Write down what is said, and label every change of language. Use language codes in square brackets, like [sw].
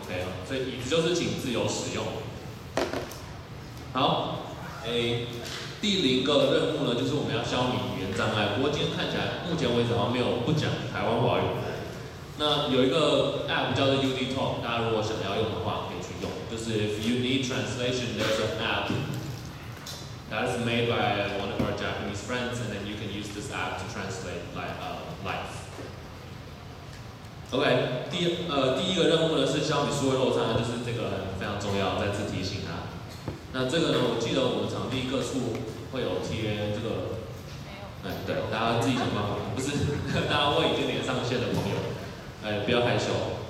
[zh] OK， 所以椅子就是请自由使用。好。第零个任务呢，就是我们要消弭语言障碍。不过今天看起来，目前为止好像没有不讲台湾华语。那有一个 app 叫做 UD Talk， 大家如果想要用的话，可以去用。就是 [en] If you need translation, there's an app that's made by one of our Japanese friends, and then you can use this app to translate life. [zh] OK， 第一个任务呢是消弭数位落差，就是这个非常重要，再次提醒他。那这个呢？我记得我们场地各处会有贴这个，没有。对，大家自己想办法，不是，大家会已经连上线的朋友，不要害羞。